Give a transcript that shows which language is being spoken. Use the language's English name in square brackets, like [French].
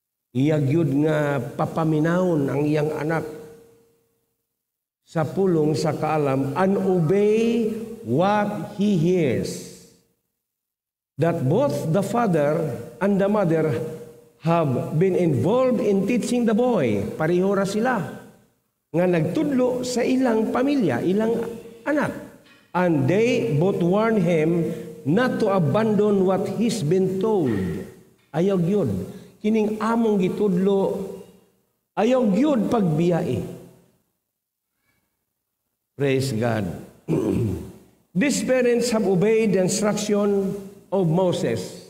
[Cebuano] Iyagyud nga papaminawon ang iyang anak sa pulong sa kaalam [English] and obey what he hears. That both the father and the mother have been involved in teaching the boy. [Cebuano] Pareho ra sila nga nagtudlo sa ilang pamilya, ilang anak. [English] And they both warn him not to abandon what he's been told. [Cebuano] Ayaw yun. Kining among gitudlo, ayaw yun pagbiyae. [English] Praise God. These parents have obeyed the instruction of Moses.